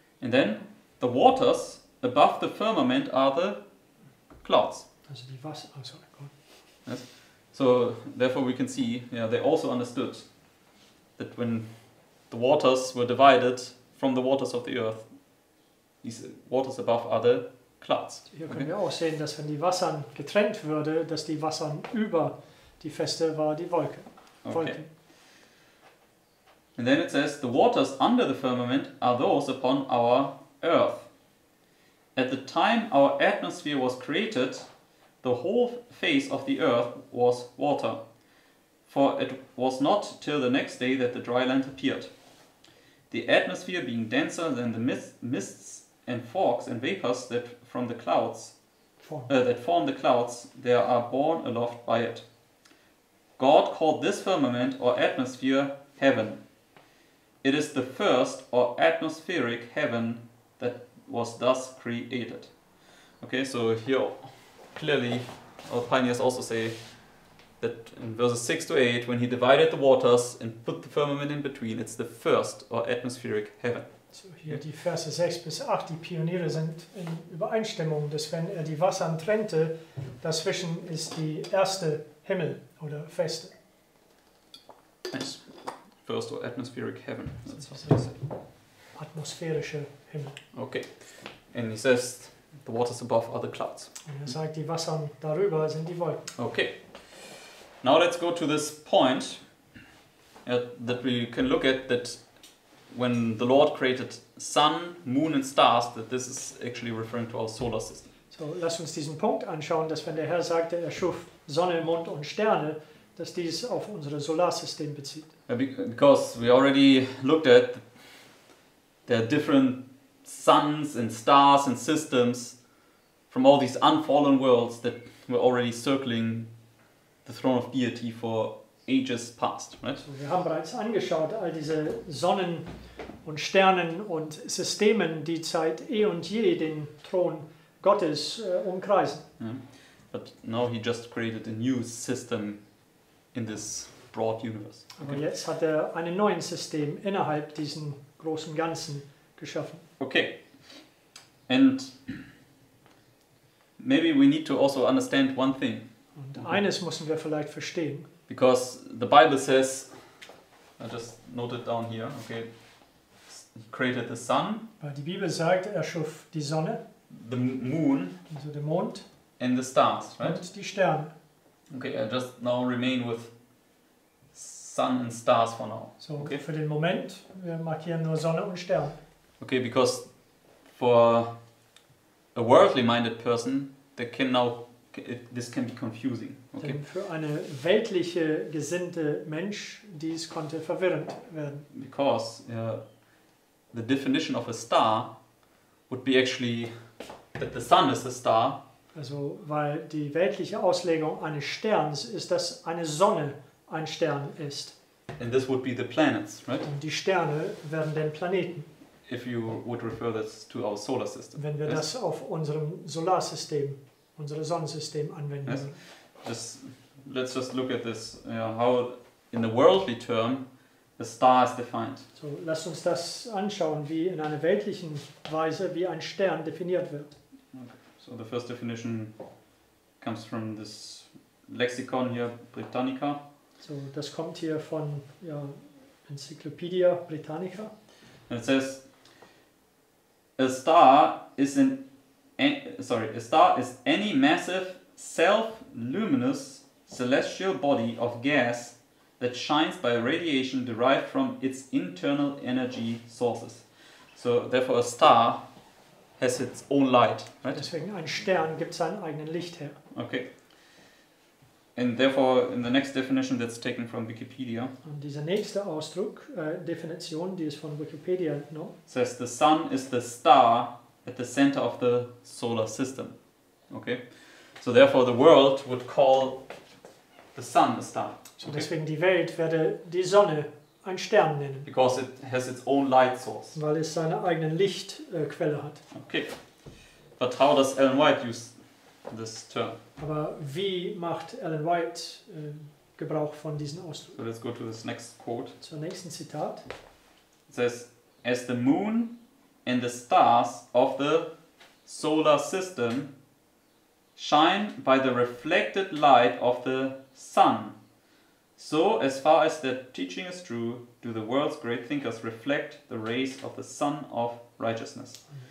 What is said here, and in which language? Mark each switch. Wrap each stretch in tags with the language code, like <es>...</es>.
<en>And then the waters above the firmament are the clouds.</en> <de>Also die Wasser,</de> <en>oh sorry, God. Yes. So therefore we can see, yeah, they also understood that when the waters were divided from the waters of the earth, these waters above are the clouds.</en> <de>Hier können okay. wir auch sehen, dass wenn die Wassern getrennt würde, dass die Wassern über die Feste war die Wolke.</de> <en>Okay. And then it says, the waters under the firmament are those upon our earth. At the time our atmosphere was created, the whole face of the earth was water. For it was not till the next day that the dry land appeared. The atmosphere being denser than the mists and fogs and vapors that from the clouds that form the clouds, there are borne aloft by it. God called this firmament or atmosphere heaven. It is the first or atmospheric heaven that was thus created. Okay, so here clearly our pioneers also say that in verses 6 to 8, when he divided the waters and put the firmament in between, it's the first or atmospheric heaven. So here</en> <de>die Verse 6 bis 8, die Pioniere sind in Übereinstimmung, dass wenn er die Wasser trennte, dazwischen ist die erste Himmel oder Feste.</de> <en>Yes. First or atmospheric heaven. That's what he said.</en> <de>Atmosphärische Himmel.</de> <en>Okay. And he says the waters above are the clouds.</en> <de>Und er sagt, die Wasser darüber sind die Wolken.</de> <en>Okay. Now let's go to this point that we can look at that when the Lord created sun, moon and stars, that this is actually referring to our solar system.</en> <de>So lass uns diesen Punkt anschauen, dass wenn der Herr sagte, er schuf Sonne, Mond und Sterne, dass dies auf unser Solarsystem bezieht.</de> <en>Yeah, because we already looked at the different suns and stars and systems from all these unfallen worlds that were already circling the throne of deity for ages past, right?</en> <de>So, wir haben bereits angeschaut all diese Sonnen und Sternen und Systemen, die seit eh und je den Thron Gottes umkreisen.</de> <en>Yeah. But now he just created a new system in this broad universe. Okay.</en> <de>Aber jetzt hat er einen neuen System innerhalb diesen großen Ganzen geschaffen.</de> <en>Okay. And maybe we need to also understand one thing.</en> <de>Und eines müssen wir vielleicht verstehen.</de> <en>Because the Bible says, I just noted down here, okay, he created the sun.</en> <de>Weil die Bibel sagt, er schuf die Sonne.</de> <en>The moon.</en> <de>Also der Mond.</de> <en>And the stars, right?</en> <de>Und die Sterne.</de> <en>Okay, I just now remain with sun and stars for now.</en> <de>So, okay, für den Moment, wir markieren nur Sonne und Sterne.</de> <en>Okay, because for a worldly-minded person, they can now... This can be confusing. Okay.</en> <de>Denn für eine weltliche gesinnte Mensch, dies konnte verwirrend werden.</de> <en>Because the definition of a star would be actually that the sun is a star.</en> <de>Also weil die weltliche Auslegung eines Sterns ist, dass eine Sonne ein Stern ist.</de> <en>And this would be the planets, right?</en> <de>Und die Sterne wären dann Planeten.</de> <en>If you would refer this to our solar system.</en> <de>Wenn wir das auf unserem Solarsystem unsere Sonnensystem anwenden.</de> <en>Yes. Let's just look at this. How in the worldly term a star is defined.</en> <de>So lasst uns das anschauen, wie in einer weltlichen Weise wie ein Stern definiert wird.</de> <en>Okay. So So the first definition comes from this lexicon here, Britannica.</en> <de>So das kommt hier von ja, Encyclopedia Britannica.</de> <en>And it says a star is any massive self-luminous celestial body of gas that shines by radiation derived from its internal energy sources. So therefore a star has its own light, right?</en> <de>Deswegen ein Stern gibt seinen eigenen Licht her.</de> <en>Okay. And therefore in the next definition that's taken from Wikipedia.</en> <de>Und dieser nächste Ausdruck, Definition, die ist von Wikipedia, no?</de> <en>Says the sun is the star at the center of the solar system. Okay. So therefore the world would call the sun a star. So okay.</en> <de>Deswegen die Welt werde die Sonne ein Stern nennen.</de> <en>Because it has its own light source.</en> <de>Weil es seine eigene Lichtquelle hat.</de> <en>Okay. But how does Ellen White use this term?</en> <de>Aber wie macht Ellen White Gebrauch von diesen Ausdruck?</de> <en>So let's go to this next quote.</en> <de>Zur nächsten Zitat.</de> <en>It says, as the moon and the stars of the solar system shine by the reflected light of the sun. So, as far as that teaching is true, do the world's great thinkers reflect the rays of the Sun of Righteousness.</en>